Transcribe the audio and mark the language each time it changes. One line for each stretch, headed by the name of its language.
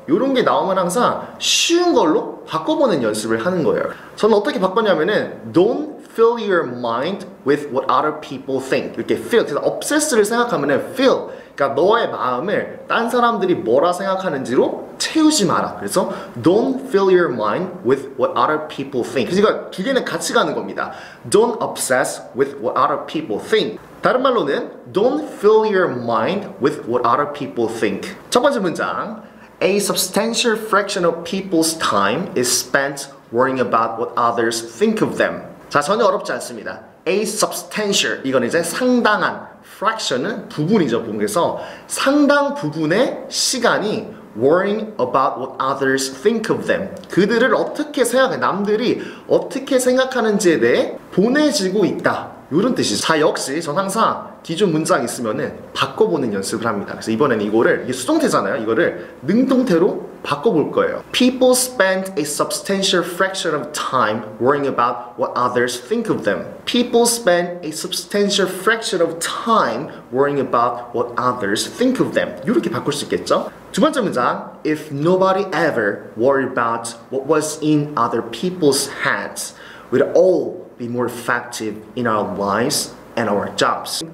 Korean: 이런 게 나오면 항상 쉬운 걸로 바꿔보는 연습을 하는 거예요. 저는 어떻게 바꿨냐면은
English: Don't fill your mind with what other people think.
Korean: 이렇게 fill, 그래서 obsess를 생각하면은 fill. 그러니까 너의 마음을 딴 사람들이 뭐라 생각하는지로 채우지 마라. 그래서
English: Don't fill your mind with what other people think.
Korean: 그러니까 두 개는 같이 가는 겁니다.
English: Don't obsess with what other people think.
Korean: 다른 말로는
English: Don't fill your mind with what other people think.
Korean: 첫 번째 문장.
English: A substantial fraction of people's time is spent worrying about what others think of them.
Korean: 자, 전혀 어렵지 않습니다.
English: A substantial,
Korean: 이건 이제 상당한 fraction은 부분이죠, 부분. 그래서 상당 부분의 시간이
English: worrying about what others think of them.
Korean: 그들을 어떻게 생각해, 남들이 어떻게 생각하는지에 대해 보내지고 있다. 이런 뜻이죠. 자, 역시 전 항상 기존 문장 있으면은 바꿔보는 연습을 합니다. 그래서 이번에는 이거를, 이게 수동태잖아요. 이거를 능동태로 바꿔볼 거예요.
English: People spend a substantial fraction of time worrying about what others think of them. People spend a substantial fraction of time worrying about what others think of them.
Korean: 이렇게 바꿀 수 있겠죠? 두 번째 문장.
English: If nobody ever worried about what was in other people's heads, we'd all be more effective in our lives and our jobs.